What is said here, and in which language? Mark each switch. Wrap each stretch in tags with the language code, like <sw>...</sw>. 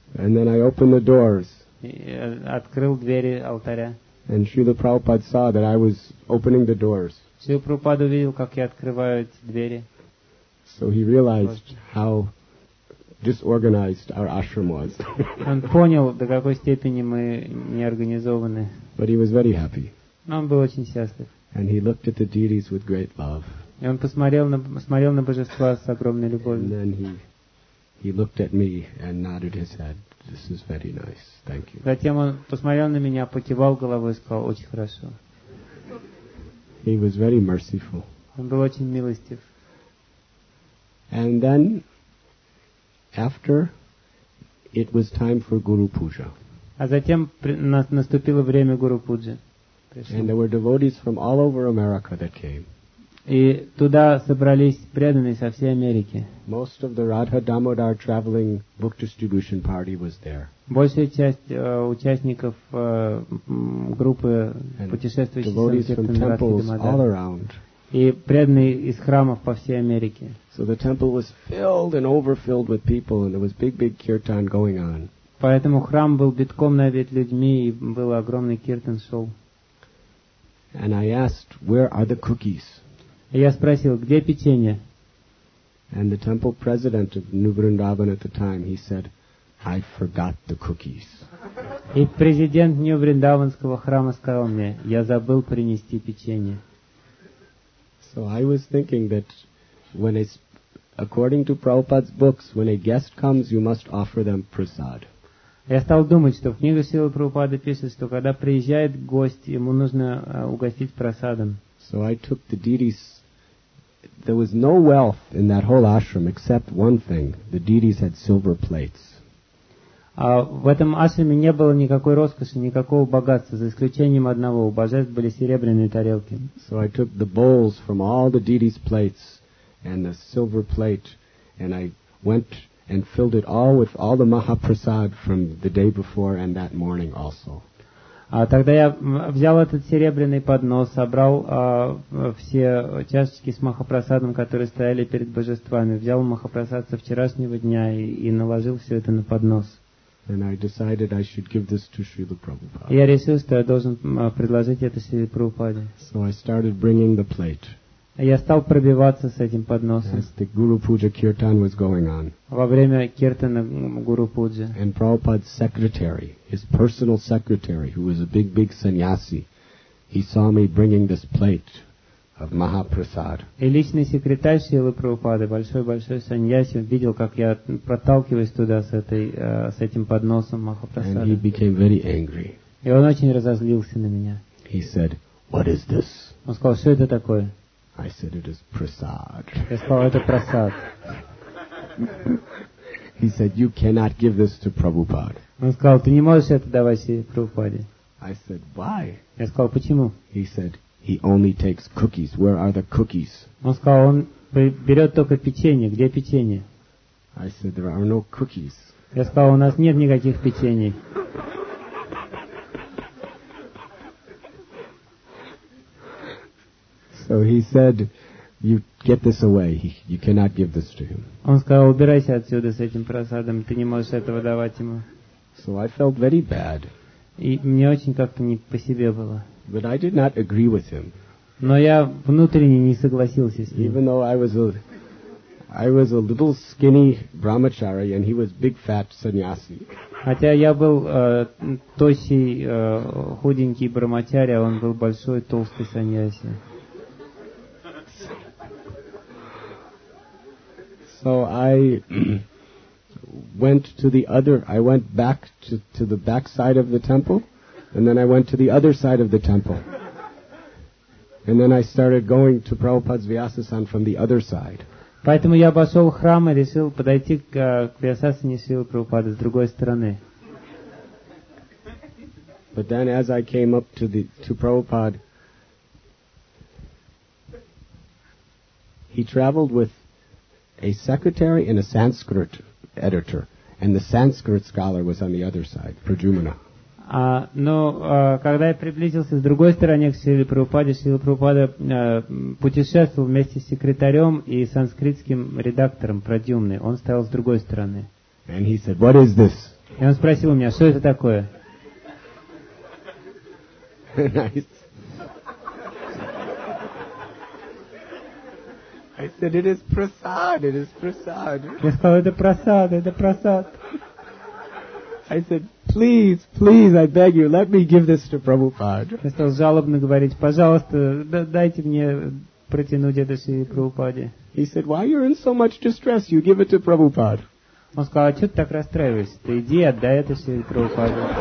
<en>And then I opened the doors.</en> <ru>открыл двери алтаря.</ru> <en>And Srila Prabhupada saw that I was opening the doors.</en> <ru>Srila Prabhupada увидел, как я открываю эти двери.</ru> <en>So he realized how disorganized our ashram was.</en> <ru>Он понял, до какой степени мы неорганизованы.</ru> <en>But he was very happy.</en> <ru>Но он был очень счастлив.</ru> <en>And he looked at the deities with great love.</en> <ru>И он посмотрел на божества с огромной любовью.</ru> <en>And then he looked at me and nodded his head. This is very nice. Thank you.</en> <ru>Затем он посмотрел на меня, покивал головой и сказал: очень хорошо.</ru> <en>He was very merciful.</en> <ru>Он был очень милостив.</ru> <en>And then, after, it was time for Guru Puja.</en> <ru>А затем наступило время Гуру Пуджи.</ru> <en>And there were devotees from all over America that came.</en> <ru>И туда собрались преданные со всей Америки.</ru> <en>Most of the Radha Damodar traveling book distribution party was there.</en> <ru>Большая часть участников группы путешествующих Санкиртана Радха Дамодара. И преданные из храмов по всей Америке.</ru> <en>So the temple was filled and overfilled with people, and there was big kirtan going on.</en> <ru>Поэтому храм был битком набит людьми, и был огромный киртан шел.</ru> <en>And I asked, where are the cookies?</en> <ru>И я спросил, где печенье?</ru> <en>And the temple president of New Vrindavan at the time, he said, I forgot the cookies.</en> <ru>И президент Нью-Вриндаванского храма сказал мне, я забыл принести печенье.</ru> <en>So I was thinking that when it's according to Prabhupada's books, when a guest comes, you must offer them prasad.</en> <ru>Я стал думать, что в книге Силы Прабхупады пишется, что когда приезжает гость, ему нужно угостить прасадом.</ru> <en>So I took the deities. There was no wealth in that whole ashram except one thing. The deities had silver plates.</en> <ru>В этом ашраме не было никакой роскоши, никакого богатства, за исключением одного. У божеств были серебряные тарелки.</ru> <en>So I took the bowls from all the deities' plates and the silver plate, and I went and filled it all with all the Mahaprasad from the day before and that morning also.</en> <ru>Тогда я взял этот серебряный поднос, собрал все чашечки с Махапрасадом, которые стояли перед божествами, взял Махапрасад со вчерашнего дня и наложил все это на поднос.</ru> <en>And I decided I should give this to Srila Prabhupada.</en> <ru>Я решил, что я должен предложить это Шриле Прабхупаде.</ru> <en>So I started bringing the plate.</en> <ru>Я стал пробиваться с этим подносом.</ru> <en>As the Guru Puja Kirtan was going on.</en> <ru>Во время киртана Гуру Пуджа.</ru> <en>And Prabhupada's secretary, his personal secretary, who was a big sannyasi, he saw me bringing this plate of Mahaprasad.</en> <ru>И личный секретарь Шрилы Прабхупады, большой сannyasi, видел, как я проталкиваюсь туда с этим подносом Махапрасада.</ru> <en>And he became very angry.</en> <ru>И он очень разозлился на меня.</ru> <en>He said, "What is this?"</en> <ru>Он сказал, что это такое?</ru> <en>I said, "It is prasad."</en> <ru>Я сказал, это прасад.</ru> <en>He said, "You cannot give this to Prabhupada."</en> <ru>Он сказал, ты не можешь это давать себе Прабхупаде.</ru> <en>I said, "Why?"</en> <ru>Я сказал, почему?</ru> <en>He said, "He only takes cookies. Where are the cookies?"</en> <ru>Он сказал, он берет только печенье. Где печенье?</ru> <en>I said, "There are no cookies."</en> <ru>Я сказал, у нас нет никаких печений.</ru> <en>So he said, "You get this away. You cannot give this to him."</en> <ru>Он сказал, убирайся отсюда с этим просадом. Ты не можешь этого давать ему.</ru> <en>So I felt very bad.</en> <ru>И мне очень как-то не по себе было.</ru> <en>But I did not agree with him.</en> <ru>Но я внутренне не согласился с ним.</ru> <en>Even though I was a little skinny brahmachari, and he was big fat sannyasi.</en> <ru>Хотя я был тощий, худенький брахмачари, а он был большой, толстый сannyasi.</ru> <en>So I went back to the back side of the temple, and then I went to the other side of the temple. And then I started going to Prabhupada's Vyasasan from the other side.</en> <ru>Поэтому я обошел храм и решил подойти к Вьясасане Шрилы Прабхупады с другой стороны.</ru> <en>But then as I came up to Prabhupada, he traveled with a secretary and a Sanskrit editor, and the Sanskrit scholar was on the other side, Prajumana.</en> <ru>Когда я приблизился с другой стороны к Шриле Прабхупаде, Шрила Прабхупада путешествовал вместе с секретарем и санскритским редактором Прадюмной. Он стоял с другой стороны.</ru> <en>And he said, "What is this?"</en> <ru>И он спросил у меня, что это такое?</ru> <en>Nice. I said, it is prasad, it is prasad.</en> <ru>Я сказал, это прасад, это прасад.</ru> <en>I said, please, please, I beg you, let me give this to Prabhupada.</en> <ru>Я стал жалобно говорить, пожалуйста, дайте мне протянуть это Шри Прабхупаде.</ru> <en>He said, why are you in so much distress? You give it to Prabhupada.</en> <ru>Он сказал, а что ты так расстраиваешься? Ты иди, отдай это Шри Прабхупаде.</ru>